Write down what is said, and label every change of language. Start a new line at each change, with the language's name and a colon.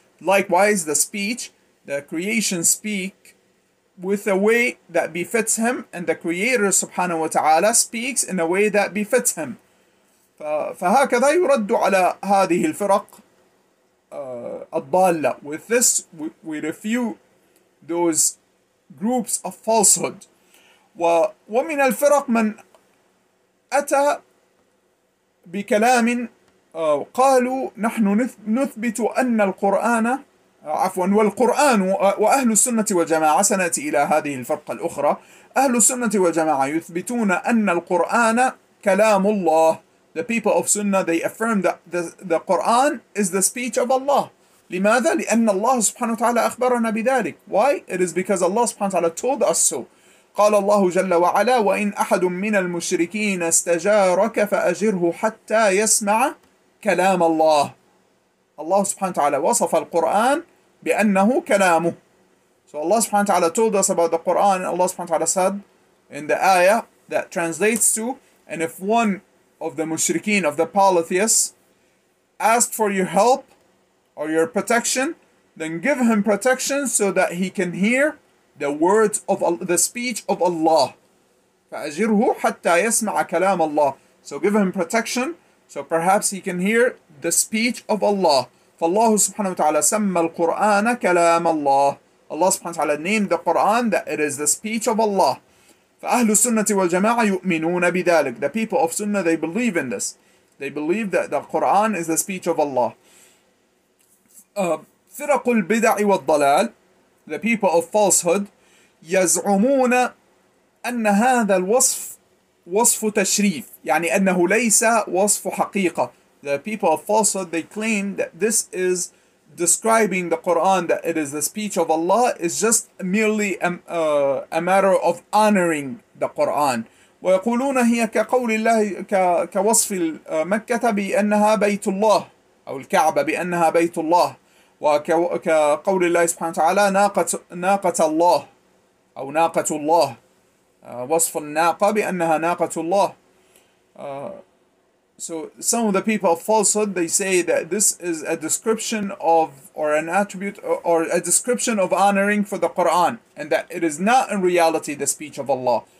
English: Likewise, the speech, the creation speak with a way that befits him, and the creator subhanahu wa ta'ala speaks in a way that befits him.
Arabic: فَهَكَذَا يُرَدُّ عَلَى هَذِهِ الْفِرَقِ الضالة.
English: With this, we refute those groups of falsehood.
Arabic: ومن الفرق من أتى بكلام قالوا نحن نثبت أن القرآن عفوا والقرآن وأهل السنة والجماعة. سنأتي إلى هذه الفرقة الأخرى. أهل السنة والجماعة يثبتون أن القرآن كلام الله.
English: The people of Sunnah, they affirm that the Quran is the speech of Allah.
Arabic: لماذا؟ لأن الله سبحانه وتعالى أخبرنا بذلك.
English: Why? It is because Allah
Arabic: سبحانه وتعالى
English: told us so.
Arabic: قال الله جل وعلا وإن أحد من المشركين استجارك فأجره حتى يسمع كلام الله. Allah سبحانه وتعالى وصف القرآن بأنه كلامه.
English: So Allah
Arabic: سبحانه وتعالى
English: told us about the Quran. Allah
Arabic: سبحانه وتعالى
English: said in the ayah that translates to, and if one of the mushrikeen, of the polytheists, ask for your help or your protection, then give him protection so that he can hear the words of the speech of Allah.
Arabic: فَأَجِرْهُ حَتَّى يَسْمَعَ كَلَامَ اللَّهِ.
English: So give him protection so perhaps he can hear the speech of Allah.
Arabic: فَاللَّهُ سُبْحَانَهُ وَتَعَالَى سَمَّ الْقُرْآنَ كَلَامَ اللَّهِ.
English: Allah subhanahu wa ta'ala named the Quran that it is the speech of Allah.
Arabic: فأهل السنة والجماعة يؤمنون بذلك.
English: The people of Sunnah, they believe in this. They believe that the Quran is the speech of Allah.
Arabic: فرق البدع والضلال,
English: the people of falsehood,
Arabic: يزعمون أن هذا الوصف وصف تشريف, يعني أنه ليس وصف حقيقة.
English: The people of falsehood, they claim that this is describing the Quran that it is the speech of Allah is just merely a matter of honoring the Quran.
Arabic: ويقولون هي كقول الله كوصف مكة بأنها بيت الله أو الكعبة بأنها بيت الله وكقول الله سبحانه وتعالى ناقة الله أو ناقة الله وصف الناقة بأنها ناقة الله.
English: So some of the people of falsehood, they say that this is a description of, or an attribute, or a description of honoring for the Quran, and that it is not in reality the speech of Allah.